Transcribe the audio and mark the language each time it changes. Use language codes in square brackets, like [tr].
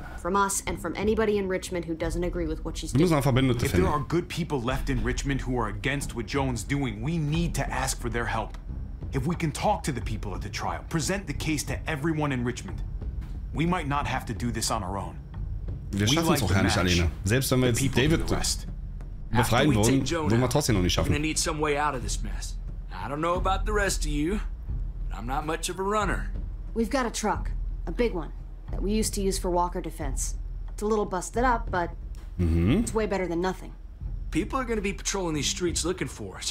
[en] From us and from anybody in Richmond who doesn't agree with what she's doing. If there are good people left in Richmond who are against what Joan's doing, we need to ask for their help. If we can talk to the people at the trial, present the case to everyone in Richmond, we might not have to do this on our own. [de] Wir schaffen es auch gar nicht alleine. Selbst wenn wir jetzt David befreien wollen, würden wir trotzdem noch nicht schaffen. [en] We need some way out of this mess. I don't know about the rest of you, but I'm not much of a runner. We've got a truck, a big one, that we used to use for Walker defense. It's a little busted up, but it's way better than nothing. People are going to be patrolling these streets looking for us.